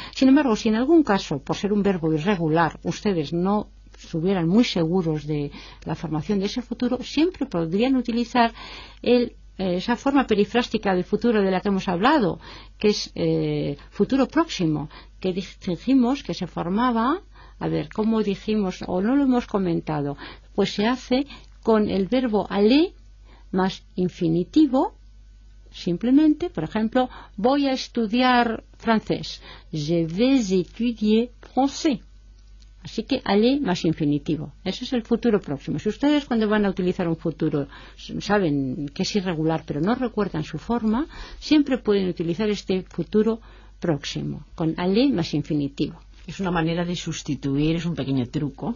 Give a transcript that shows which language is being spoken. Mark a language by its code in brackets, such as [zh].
[es] Sin embargo, si en algún caso, por ser un verbo irregular, ustedes no estuvieran muy seguros de la formación de ese futuro, siempre podrían utilizar esa forma perifrástica del futuro de la que hemos hablado, que es futuro próximo, que dijimos que se formaba, a ver, ¿cómo dijimos o no lo hemos comentado? Pues se hace con el verbo aller más infinitivo, simplemente, por ejemplo, voy a estudiar francés. [fr] Je vais étudier français. [es] Así que aller más infinitivo. Ese es el futuro próximo. Si ustedes cuando van a utilizar un futuro saben que es irregular pero no recuerdan su forma, siempre pueden utilizar este futuro próximo con aller más infinitivo. Es una manera de sustituir, es un pequeño truco.